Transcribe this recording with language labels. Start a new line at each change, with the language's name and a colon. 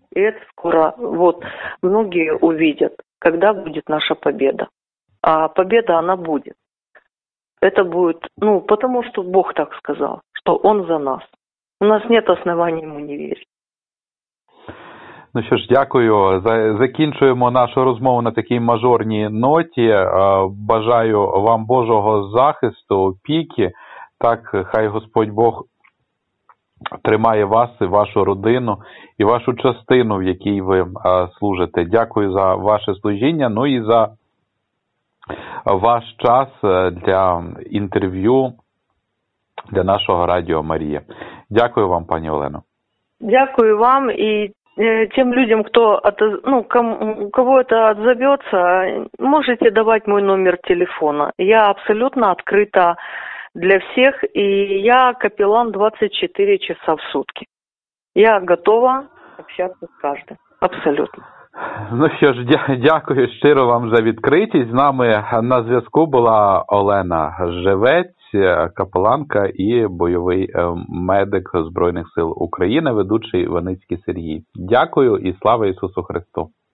Russian: И это скоро, вот, многие увидят, когда будет наша победа. А победа, она будет. Это будет, ну, потому что Бог так сказал, что Он за нас. У нас нет оснований Ему не верить.
Ukrainian: Ну що ж, дякую. Закінчуємо нашу розмову на такій мажорній ноті. Бажаю вам Божого захисту, опіки. Так, хай Господь Бог тримає вас і вашу родину, і вашу частину, в якій ви служите. Дякую за ваше служіння, ну і за ваш час для інтерв'ю для нашого Радіо Марія. Дякую вам, пані Олено. Дякую вам і
Russian: тем людям, кто ну, кого это отзовется, можете давать мой номер телефона. Я абсолютно открыта для всех, и я капеллан 24 часа в сутки. Я готова общаться с каждым. Абсолютно.
Ukrainian: Ну що ж, дякую щиро вам за відкритість. З нами на зв'язку була Олена Живець, капеланка і бойовий медик Збройних сил України, ведучий Іваницький Сергій. Дякую і слава Ісусу Христу.